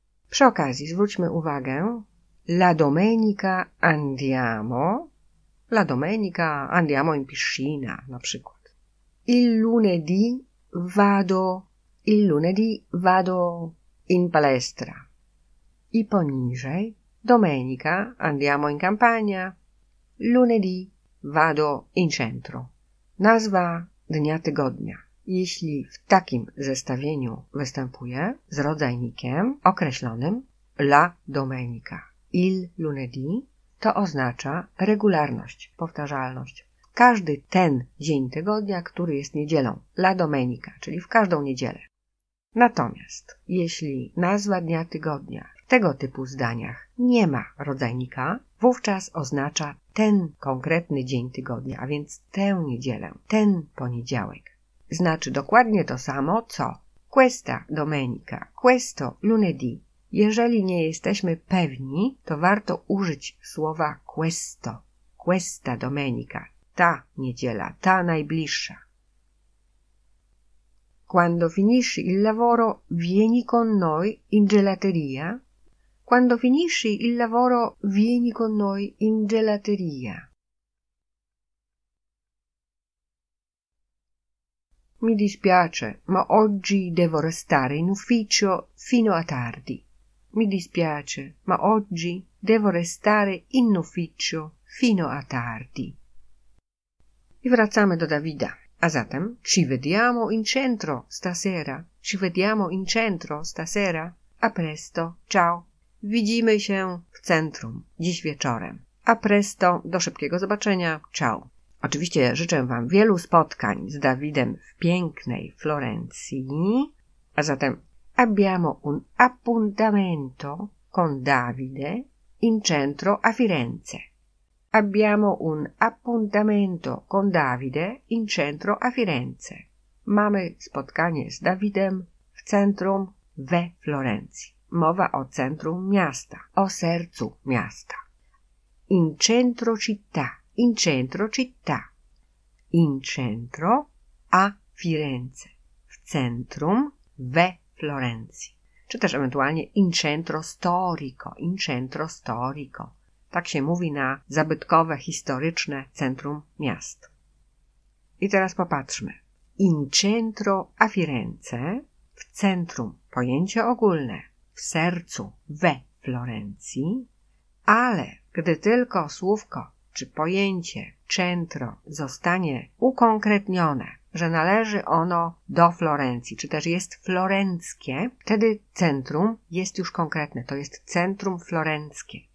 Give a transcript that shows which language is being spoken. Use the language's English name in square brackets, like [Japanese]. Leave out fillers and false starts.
[Polish] Przy okazji zwróćmy uwagę. [Italian] La domenica andiamo. La domenica andiamo in piscina, [Polish] na przykład. [Italian] Il lunedì vado. Il lunedì vado in palestra. [Polish] I poniżej. [Italian] Domenica andiamo in campagna. Lunedì vado in centro. [Polish] Nazwa dnia tygodnia. Jeśli w takim zestawieniu występuje z rodzajnikiem określonym la domenica, il lunedì, to oznacza regularność, powtarzalność. Każdy ten dzień tygodnia, który jest niedzielą. [Italian] La domenica, [Polish] czyli w każdą niedzielę. Natomiast, jeśli nazwa dnia tygodnia w tego typu zdaniach nie ma rodzajnika, wówczas oznacza ten konkretny dzień tygodnia, a więc tę niedzielę, ten poniedziałek. Znaczy dokładnie to samo, co questa domenica, questo lunedì. Jeżeli nie jesteśmy pewni, to warto użyć słowa questo, questa domenica, ta niedziela, ta najbliższa. [Italian] Quando finisci il lavoro, vieni con noi in gelateria. Quando finisci il lavoro, vieni con noi in gelateria. Mi dispiace, ma oggi devo restare in ufficio fino a tardi. Mi dispiace, ma oggi devo restare in ufficio fino a tardi. [Polish] I wracamy do Davida. A zatem, [Italian] ci vediamo in centro stasera. Ci vediamo in centro stasera. A presto, ciao. [Polish] Widzimy się w centrum dziś wieczorem. [Italian] A presto, [Polish] do szybkiego zobaczenia, ciao. Oczywiście życzę Wam wielu spotkań z Davidem w pięknej Florencji. A zatem, [Italian] abbiamo un appuntamento con Davide in centro a Firenze. Abbiamo un appuntamento con Davide in centro a Firenze. [Polish] Mamy spotkanie z Davidem w centrum we Florencji. Mowa o centrum miasta, o sercu miasta. [Italian] In centro città, in centro città. In centro a [Polish] Firenze, w centrum, we Florencji. Czy też ewentualnie [Italian] in centro storico, in centro storico. [Polish] Tak się mówi na zabytkowe, historyczne centrum miast. I teraz popatrzmy. [Italian] In centro a Firenze, [Polish] w centrum, pojęcie ogólne, w sercu, we Florencji, ale gdy tylko słówko czy pojęcie centro zostanie ukonkretnione, że należy ono do Florencji, czy też jest florenckie, wtedy centrum jest już konkretne, to jest centrum florenckie.